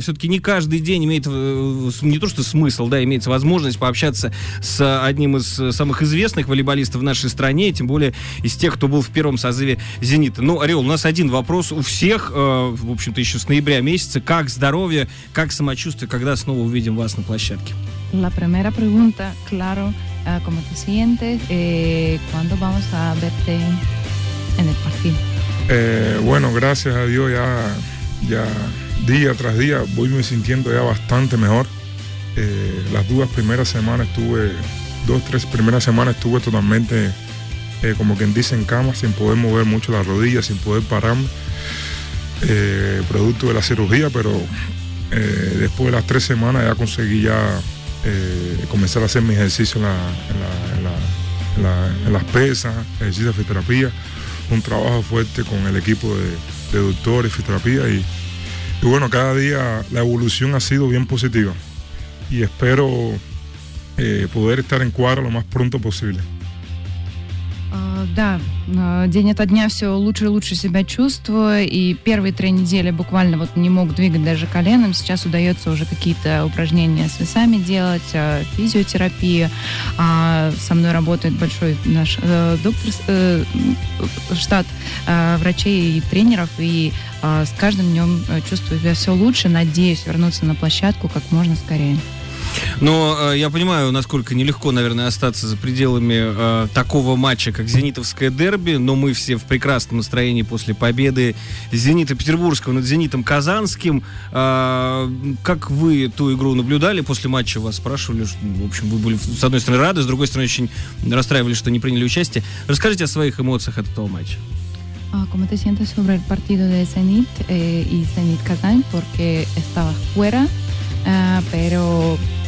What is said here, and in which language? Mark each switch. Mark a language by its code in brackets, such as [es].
[ru] Все-таки не каждый день имеет, не то что смысл, да, имеется возможность пообщаться с одним из самых известных волейболистов в нашей стране, тем более из тех, кто был в первом созыве «Зенита». Ну, Орел, у нас один вопрос у всех, в общем-то, еще с ноября месяца. Как здоровье, как самочувствие, когда снова увидим вас на площадке? [es] La primera pregunta, claro, ¿cómo te sientes? ¿Cuándo vamos a verte en el partido? Bueno, gracias a Dios ya, ya día tras día voy me sintiendo ya bastante mejor. Las dos primeras semanas estuve, dos, tres primeras semanas estuve totalmente, como quien dice, en cama, sin poder mover mucho las rodillas, sin poder pararme, producto de la cirugía, pero después de las tres semanas ya conseguí ya comenzar a hacer mi ejercicio en las pesas, ejercicio de fisioterapia, un trabajo fuerte con el equipo de doctores, fisioterapia y bueno, cada día la evolución ha sido bien positiva y espero poder estar en cuadro lo más pronto posible. [ru] Да, день ото дня все лучше и лучше себя чувствую, и первые три недели буквально вот не мог двигать даже коленом, сейчас удается уже какие-то упражнения с весами делать, физиотерапию, со мной работает большой наш доктор, штат врачей и тренеров, и с каждым днем чувствую себя все лучше, надеюсь вернуться на площадку как можно скорее. Но я понимаю, насколько нелегко, наверное, остаться за пределами такого матча, как «Зенитовское дерби», но мы все в прекрасном настроении после победы «Зенита Петербургского» над «Зенитом Казанским». Как вы ту игру наблюдали после матча? Вас спрашивали, что, в общем, вы были, с одной стороны, рады, с другой стороны, очень расстраивались, что не приняли участие. Расскажите о своих эмоциях от этого матча. [es] ¿Cómo te sientes sobre el partido de «Зенит» y «Зенит Казань»? Porque estabas fuera, pero...